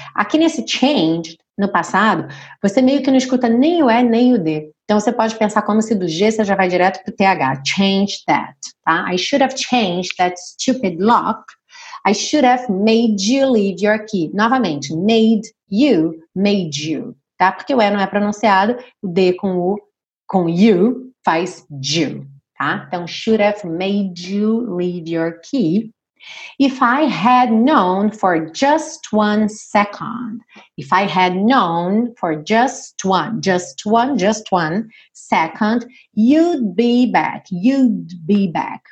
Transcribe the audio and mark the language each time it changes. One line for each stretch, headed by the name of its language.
Portuguese: Aqui nesse changed, no passado, você meio que não escuta nem o E, nem o D. Então, você pode pensar como se do G você já vai direto pro TH.
English: Change that,
Portuguese: tá?
English: I should have changed that stupid lock. I should have made you leave your key.
Portuguese: Novamente,
English: made you,
Portuguese: tá? Porque o E não é pronunciado, o D com o, com you, faz you, tá? Então,
English: should have made you leave your key. If I had known for just 1 second, if I had known for just one second, you'd be back.